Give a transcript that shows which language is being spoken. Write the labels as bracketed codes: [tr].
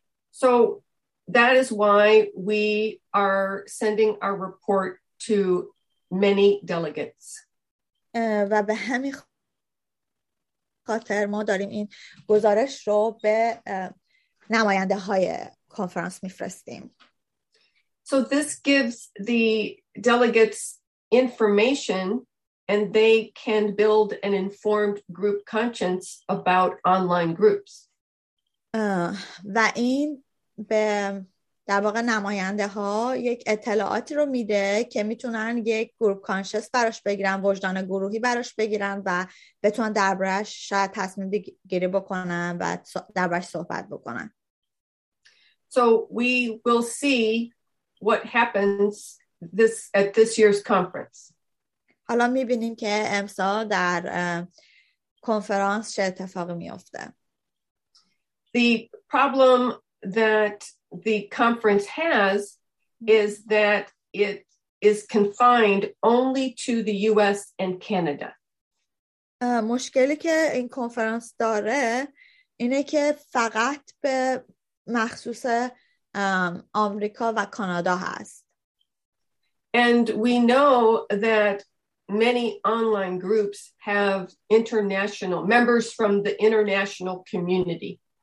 [en] So that is why we are sending our report to many delegates. [fa] و به همین خاطر ما داریم این گزارش رو به نماینده های کنفرانس میفرستیم. [en] So this gives the delegates information and they can build an informed group conscience about online groups. [fa] و این به در واقع نماینده ها یک اطلاعاتی رو میده که میتونن یک گروپ کانشس براش بگیرن، وجدان گروهی براش بگیرن و بتونن دربارش شاید تصمیم گیری بکنن و دربارش صحبت بکنن. [en] So we will see what happens at this year's conference. [fa] حالا میبینیم که امسال در کنفرانس چه اتفاقی میفته. [en] The problem that the conference has is that it is confined only to the US and Canada. [fa] مشکلی که این کنفرانس داره اینه که فقط به مخصوص آمریکا و کانادا هست. [en] And we know that many online groups have international members from the international community.